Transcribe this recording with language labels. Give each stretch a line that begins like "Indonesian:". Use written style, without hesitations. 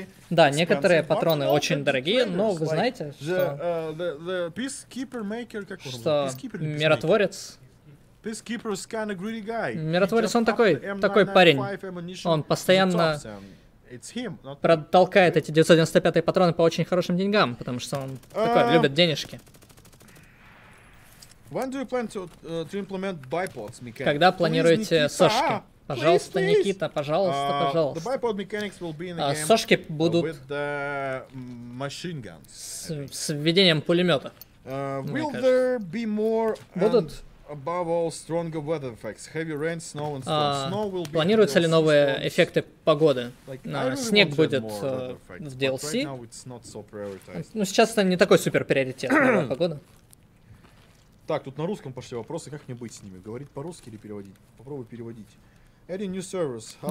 Russian: Да, некоторые патроны очень дорогие, но вы знаете, что миротворец... Миротворец, он такой парень. Он постоянно протолкает эти 995-е патроны по очень хорошим деньгам, потому что он такой, любит денежки.
English: When do you plan to implement bipods mechanics?
Russian: Когда планируете сошки? Пожалуйста,
English: please, please.
Russian: Никита, пожалуйста, пожалуйста.
English: The bipod mechanics will be in the game.
Russian: Сошки будут
English: with the machine guns.
Russian: С введением пулемета.
English: Will there be more and above all stronger weather effects? Heavy rain, snow and storm. Snow will be.
Russian: Планируются ли новые эффекты погоды? Снег будет в DLC.
English: Right now it's not so prioritized.
Russian: Ну, сейчас это не такой супер приоритет, погода. Так, тут на русском пошли вопросы, как мне быть с ними? Говорить по-русски или переводить? Попробую переводить.
English: Adding new servers. How,